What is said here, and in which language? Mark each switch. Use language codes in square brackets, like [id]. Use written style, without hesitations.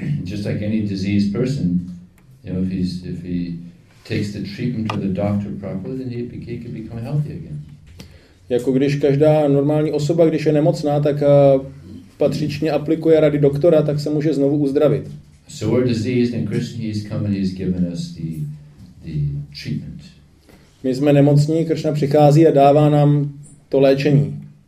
[en] Just like any diseased person, you know, if he takes the treatment to the doctor properly, then he can become healthy again. [cs] Jako když každá normální osoba, když je nemocná, tak patřičně aplikuje rady doktora, tak se může znovu uzdravit. [en] So we're diseased and Krishna has come and he's given us the treatment. [cs] My jsme nemocní, Krishna přichází a dává nám to léčení.